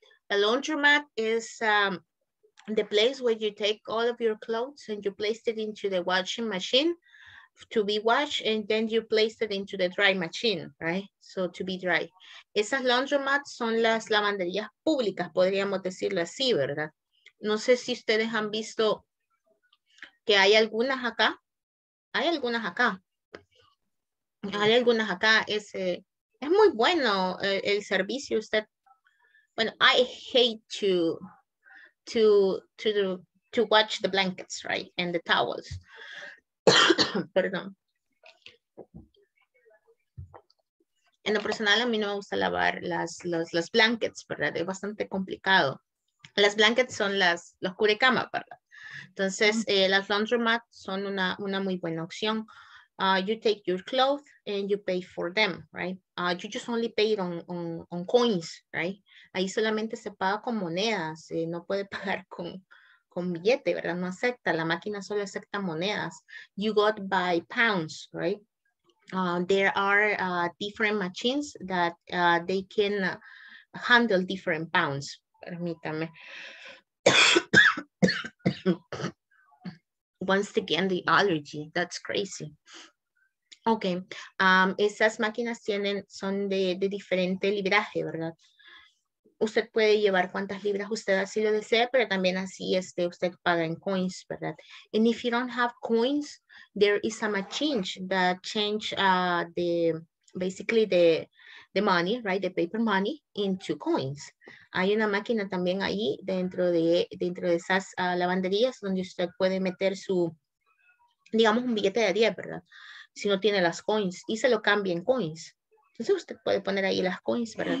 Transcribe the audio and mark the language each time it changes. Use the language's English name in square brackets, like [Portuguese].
[English] The laundromat is the place where you take all of your clothes and you place it into the washing machine to be washed, and then you place it into the dry machine, right? So to be dry. [Spanish] Esas laundromats son las lavanderías públicas, podríamos decirlo así, ¿verdad? No sé si ustedes han visto que hay algunas acá. Hay algunas acá. Hay algunas acá. Es muy bueno el servicio. Usted. [English] Bueno, I hate to watch the blankets, right? And the towels. Perdón. [Spanish] En lo personal, a mí no me gusta lavar las blankets, ¿verdad? Es bastante complicado. Las blankets son los cubrecamas, ¿verdad? Entonces, las laundromats son una muy buena opción. [English] You take your clothes and you pay for them, right? You just only pay it on coins, right? [Spanish] Ahí solamente se paga con monedas, no puede pagar con billete, ¿verdad? No acepta, la máquina solo acepta monedas. [English] You got by pounds, right? There are different machines that they can handle different pounds. [Spanish] Permítame. [English] Once again, the allergy. That's crazy. Okay. [Spanish] Esas máquinas son de diferente libraje, ¿verdad? Usted puede llevar cuantas libras usted así lo desee, pero también así usted paga en coins, ¿verdad? [English] And if you don't have coins, there is a machine that change the money, right? The paper money into coins. [Spanish] Hay una máquina también ahí dentro de esas lavanderías donde usted puede meter su, digamos, un billete de 10, ¿verdad? Si no tiene las coins y se lo cambia en coins. Entonces usted puede poner ahí las coins, ¿verdad?